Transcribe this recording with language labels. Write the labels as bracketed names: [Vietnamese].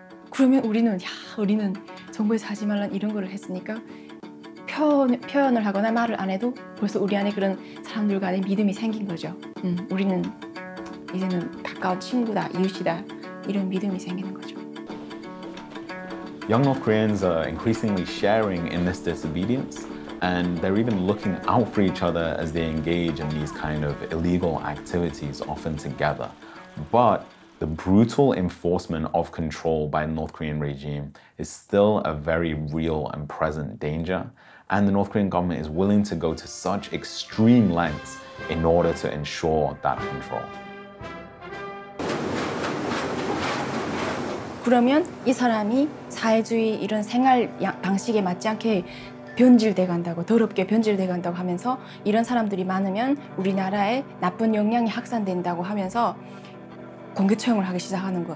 [Korean] 그러면 우리는 정부에서 하지 말란 이런 거를 했으니까 표현을 하거나 말을 안 해도 벌써 우리 안에 그런 사람들 간의 믿음이 생긴 거죠. 우리는 이제는 가까운 친구다, 이웃이다 이런 믿음이 생기는 거죠. [English] Young North Koreans are increasingly sharing in this disobedience and they're even looking out for each other as they engage in these kind of illegal activities often together. But the brutal enforcement of control by the North Korean regime is still a very real and present danger. And the North Korean government is willing to go to such extreme lengths in order to ensure that control. [Korean] 그러면 이 사람이 사회주의 이런 생활 방식에 맞지 않게 변질돼 간다고 더럽게 변질돼 간다고 하면서 이런 사람들이 많으면 우리나라에 나쁜 영향이 확산된다고 하면서 공개 처형을 하기 시작하는 거.